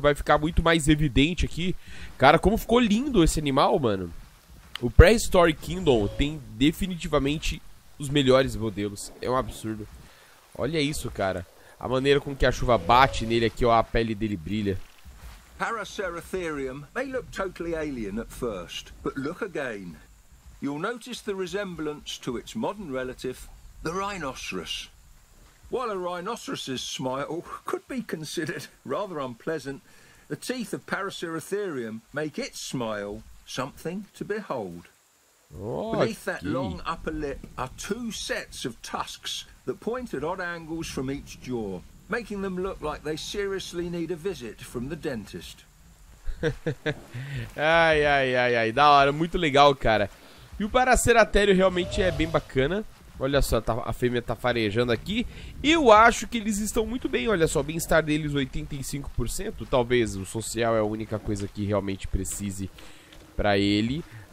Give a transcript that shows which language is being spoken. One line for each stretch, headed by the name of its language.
Portuguese: Vai ficar muito mais evidente aqui. Cara, como ficou lindo esse animal, mano. O Prehistoric Kingdom tem definitivamente os melhores modelos. É um absurdo. Olha isso, cara. A maneira com que a chuva bate nele aqui, ó, a pele dele brilha.
English: Paraceratherium may look totally alien at first, but look again. You'll notice the resemblance to its modern relative, the rhinoceros. While a rhinoceros's smile could be considered rather unpleasant, the teeth of Paraceratherium make its smile something to behold. Beneath that long upper lip are two sets of tusks that point at odd angles from each jaw, making them look like they seriously need a visit from the dentist.
Portuguese: Ai, ai, ai, ai, da hora, muito legal, cara. E o Paraceratério realmente é bem bacana. Olha só, tá, a fêmea tá farejando aqui. Eu acho que eles estão muito bem, olha só, o bem-estar deles 85%. Talvez o social é a única coisa que realmente precise pra ele.